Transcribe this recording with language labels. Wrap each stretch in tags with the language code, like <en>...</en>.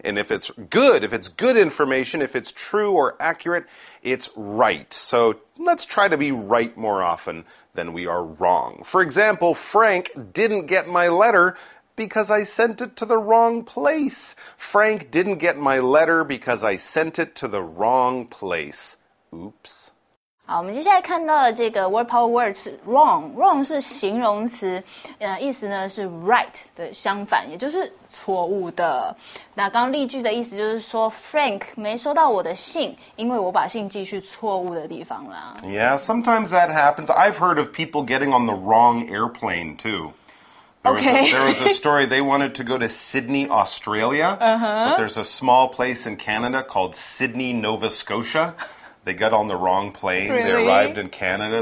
<en>And if it's good, if it's good information, if it's true or accurate, it's right. So let's try to be right more often than we are wrong. For example, Frank didn't get my letter because I sent it to the wrong place. Frank didn't get my letter because I sent it to the wrong place. Oops.</en> <zh>好，我们接下来看到的这个 word power word 是 wrong， wrong 是形容词，意思呢是 right 的相反，也就是错误的。那刚例句的意思就是说 Frank 没收到我的信，因为我把信寄去错误的地方了。</zh> <en>Yeah, sometimes that happens. I've heard of people getting on the wrong airplane too. There was a story, they wanted to go to Sydney, Australia, but there's a small place in Canada called Sydney, Nova Scotia. They got on the wrong plane. Really? They arrived in Canada.</en>